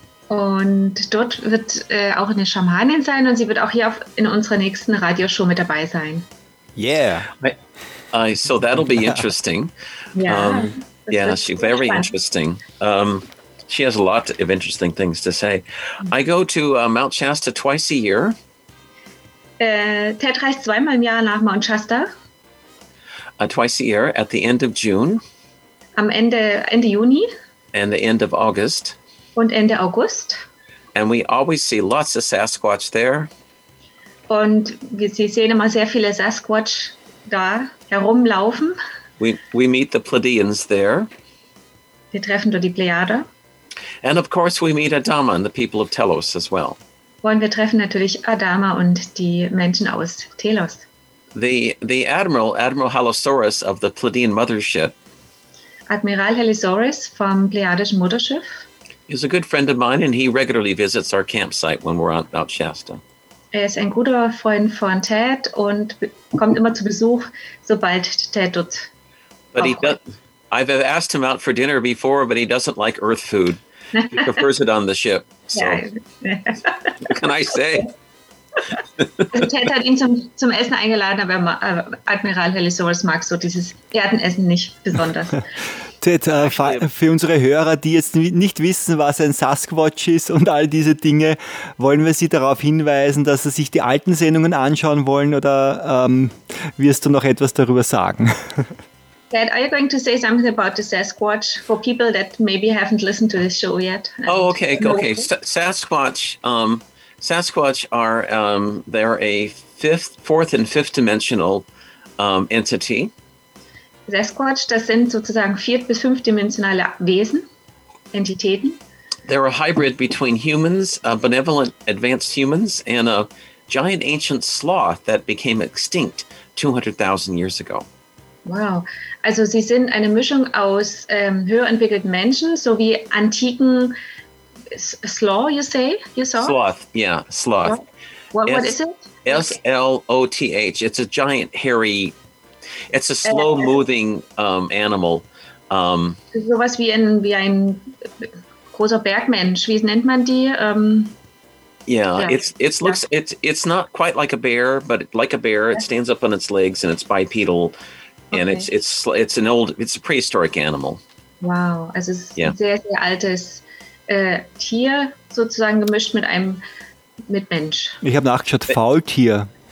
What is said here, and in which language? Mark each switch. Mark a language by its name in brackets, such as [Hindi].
[German] Und dort wird auch eine Schamanin sein, und sie wird auch hier in unserer nächsten Radioshow mit dabei sein. [English] Yeah. So that'll be interesting. Yeah, she's very interesting. She has a lot of interesting things to say. I go to Mount Shasta twice a year. [German] Ted reist zweimal im Jahr nach Mount Shasta. [English] Twice a year at the end of June. [German] Am Ende Juni. [English] And the end of August. [German] Und Ende August. [English] And we always see lots of Sasquatch there. [German] Und Sie sehen immer sehr viele Sasquatch da herumlaufen. [English] We meet the Pleiadians there. [German] Wir treffen dort die Plejade. [English] And of course we meet Adama and the people of Telos as well. [German] Und wir treffen natürlich Adama und die Menschen aus Telos. [English] The Admiral, Admiral Halosaurus of the Pleiadian Mothership. [German] Admiral Halosaurus from Pleiadischen Mutterschiff. [English] Is a good friend of mine, and he regularly visits our campsite when we're on Mount Shasta. [German] Er ist ein guter Freund von Ted und kommt immer zu Besuch, sobald Ted dort. [English] But I've asked him out for dinner before, but he doesn't like Earth food. He prefers it on the ship. So. Yeah. What can I say? [German] Ted hat ihn zum Essen eingeladen, aber Admiral Halosaurus mag so dieses Erdenessen nicht besonders. Ted, für unsere Hörer, die jetzt nicht wissen, was ein Sasquatch ist und all diese Dinge, wollen wir sie darauf hinweisen, dass sie sich die alten Sendungen anschauen wollen oder wirst du noch etwas darüber sagen? [English] Ted, are you going to say something about the Sasquatch for people that maybe haven't listened to this show yet? Oh, okay. Sasquatch, Sasquatch are, they're a fourth and fifth dimensional entity. [German] Sasquatch, das sind sozusagen vier- bis fünfdimensionale Wesen, Entitäten. [English] They're a hybrid between humans, benevolent advanced humans, and a giant ancient sloth that became extinct 200,000 years ago. [German] Wow, also sie sind eine Mischung aus höher entwickelten Menschen sowie antiken Sloth, [English] you saw? Sloth, yeah, sloth. What is it? S-L-O-T-H, it's a giant hairy... It's a slow-moving animal. [German] Sowas wie ein großer Bergmensch. Wie nennt man die? [English] It's not quite like a bear, but like a bear, it stands up on its legs and it's bipedal, and it's a prehistoric animal. [German] Wow, also es ist ein sehr sehr altes Tier sozusagen gemischt mit Mensch. Ich habe nachgeschaut, Faultier.